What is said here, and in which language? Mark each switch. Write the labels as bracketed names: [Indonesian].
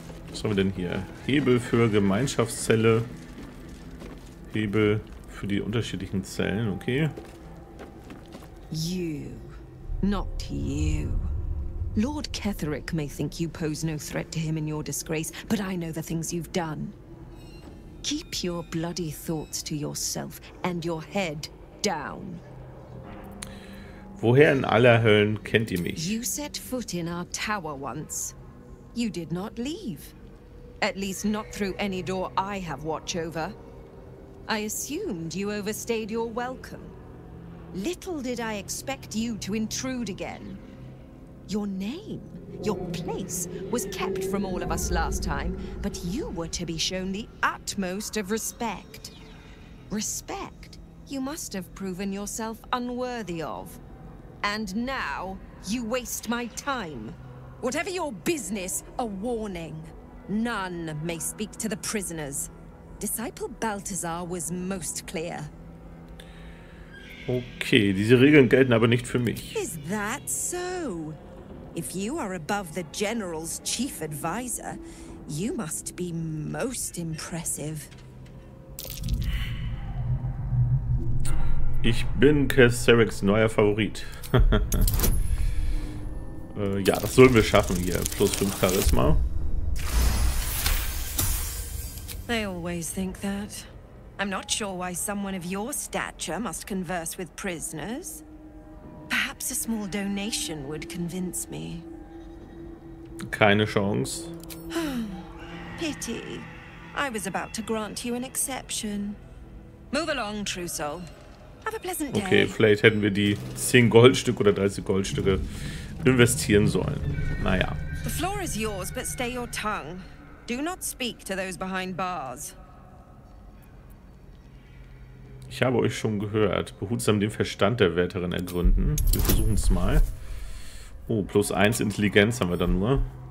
[German] Was haben wir denn hier? Hebel für Gemeinschaftszelle. Hebel für die unterschiedlichen Zellen, okay. [English] You. Not you. Lord Ketherick may think you pose no threat to him in your disgrace, but I know the things you've done. Keep your bloody thoughts to yourself and your head down. Woher in aller Höllen kennt ihr mich? You set foot in our tower once. You did not leave. At least not through any door I have watch over. I assumed you overstayed your welcome. Little did I expect you to intrude again. Your name, your place, was kept from all of us last time, but you were to be shown the utmost of respect. Respect you must have proven yourself unworthy of. And now you waste my time. Whatever your business, a warning. None may speak to the prisoners. Disciple Balthazar was most clear. [German] Okay, diese Regeln gelten aber nicht für mich. [English] Is that so? If you are above the General's chief advisor, you must be most impressive. [German] Ich bin Kesseriks neuer Favorit. ja, das sollen wir schaffen hier. Plus 5 Charisma. [English] They always think that. I'm not sure why someone of your stature must converse with prisoners. Perhaps a small donation would convince me. [German] Keine Chance. [English] Pity. I was about to grant you an exception. Move along, Trousseau. Have a pleasant day. [German] Okay, vielleicht hätten wir die 10 Goldstücke oder 30 Goldstücke investieren sollen. Naja. [English] The floor is yours, but stay your tongue. Do not speak to those behind bars. [German] Ich habe euch schon gehört. Behutsam den Verstand der Wärterin ergründen. Wir versuchen es mal. Oh, plus 1 Intelligenz haben wir dann nur.